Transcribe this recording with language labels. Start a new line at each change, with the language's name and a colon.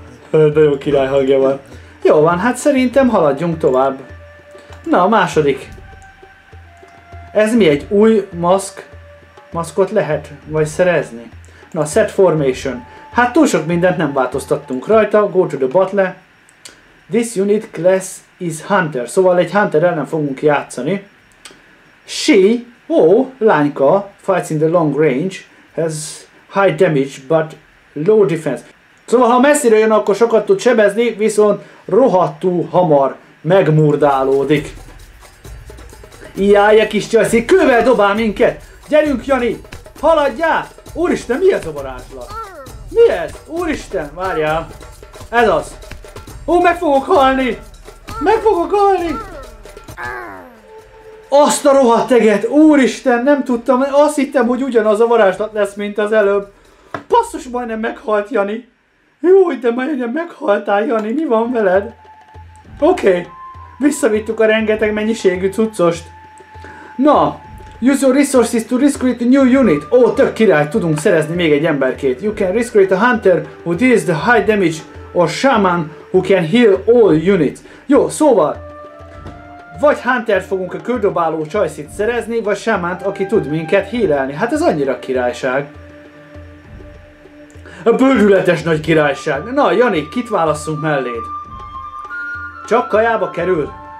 Hungarian: De jó király hangja van. Jól van, hát szerintem haladjunk tovább. Na, a második. Ez mi egy új maszk? Maszkot lehet vagy szerezni? Na,
English: set formation.
Hungarian: Hát túl sok mindent nem változtattunk rajta.
English: Go to the battle. This unit class is Hunter.
Hungarian: Szóval egy Hunter ellen fungunk játszani.
English: She,
Hungarian: lányka,
English: fights in the long range, has high damage but low defense.
Hungarian: Szóval ha messziről jön, akkor sokat tud sebezni, viszont rohadtú hamar megmurdálódik. Ijjáj, a kis csajszi, kővel dobál minket! Gyerünk, Jani! Haladjál! Úristen, mi ez a varázslat? Mi ez? Úristen, várjál! Ez az! Ó, meg fogok halni! Meg fogok halni! Azt a rohadt eget! Úristen, nem tudtam, azt hittem, hogy ugyanaz a varázslat lesz, mint az előbb. Passzus, majdnem meghalt, Jani! Jó, de majdnem meghaltál, Jani, mi van veled? Oké. Visszavittuk a rengeteg mennyiségű cuccost. Na,
English: use your resources to recruit a new unit.
Hungarian: Ó, tök király, tudunk szerezni még egy emberkét.
English: You can recruit a hunter who deals the high damage or shaman who can heal all units.
Hungarian: Jó, szóval, vagy huntert fogunk a kődobáló csajszit szerezni, vagy shamant, aki tud minket healelni. Hát ez annyira királyság. A bődületes nagy királyság. Na, Jani, kit válasszunk melléd? Csak kajába kerül?